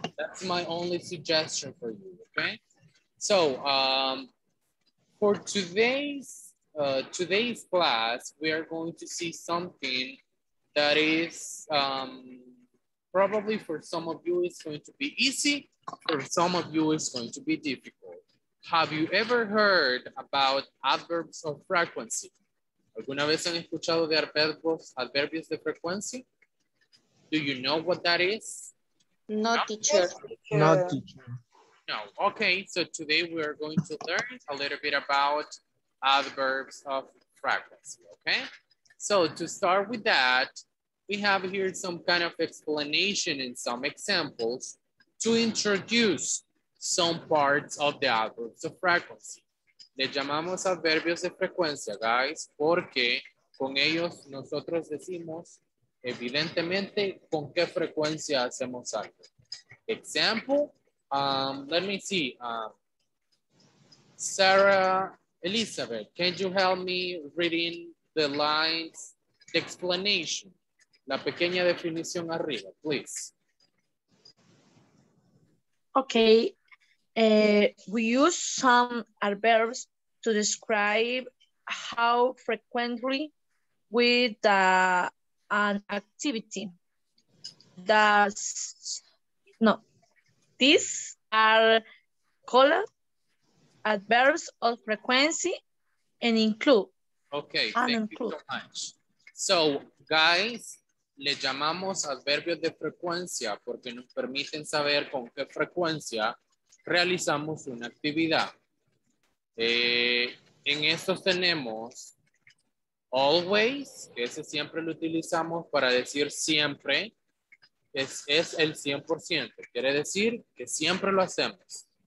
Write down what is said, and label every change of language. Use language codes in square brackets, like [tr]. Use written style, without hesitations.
[en] That's my only suggestion for you, okay? So for today's class, we are going to see something that is probably for some of you is going to be easy, for some of you is going to be difficult. Have you ever heard about adverbs of frequency? [es] ¿Alguna vez han escuchado de adverbios de frecuencia? [en] Do you know what that is? No, teacher. No, okay, so today we are going to learn a little bit about adverbs of frequency, okay? So to start with that, we have here some kind of explanation and some examples to introduce some parts of the adverbs of frequency. [es] Le llamamos adverbios de frecuencia, guys, porque con ellos nosotros decimos, evidentemente, con qué frecuencia hacemos algo. [en] Example, let me see. Sarah, Elizabeth, can you help me reading the lines, the explanation? [es] La pequeña definición arriba, please. [en] Okay. We use some adverbs to describe how frequently we do an activity. These are called adverbs of frequency and include. Okay, thank you so much. [es] So, guys, le llamamos adverbios de frecuencia porque nos permiten saber con qué frecuencia realizamos una actividad. En estos tenemos always, que ese siempre lo utilizamos para decir siempre, es el 100%, quiere decir que siempre lo hacemos.